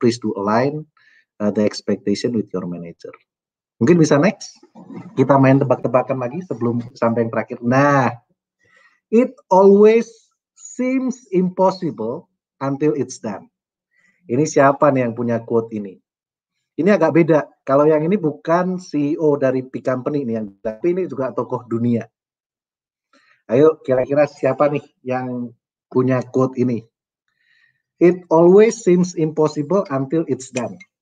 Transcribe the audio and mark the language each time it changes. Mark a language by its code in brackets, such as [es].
[en] Please do align the expectation with your manager. [id] Mungkin bisa next. Kita main tebak-tebakan lagi sebelum sampai yang terakhir. [en] Nah, it always seems impossible until it's done. [id] Ini siapa nih yang punya quote ini? Ini agak beda. Kalau yang ini bukan CEO dari big company ini, tapi ini juga tokoh dunia. Ayo, kira-kira siapa nih yang punya quote ini? [en] It always seems impossible until it's done.